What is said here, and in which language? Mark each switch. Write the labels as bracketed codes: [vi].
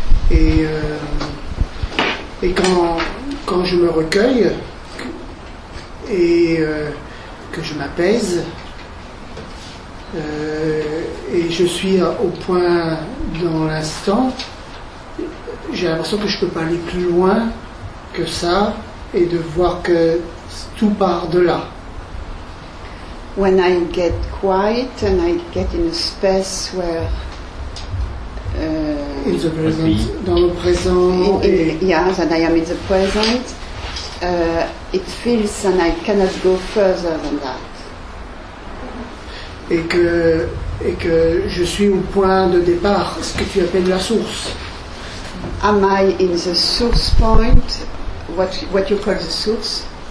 [fr] Et quand je me recueille et que je m'apaise et je suis au point dans l'instant, j'ai l'impression que je ne peux pas aller plus loin que ça et de voir que tout part de là. [en] When I get quiet and I get in a space where in the present, [fr] dans le présent, [en] that I am in the present, it feels and I cannot go further than that. [fr] Et que je suis au point de départ, ce que tu appelles la source. [en] Am I in the source point, what you call the source?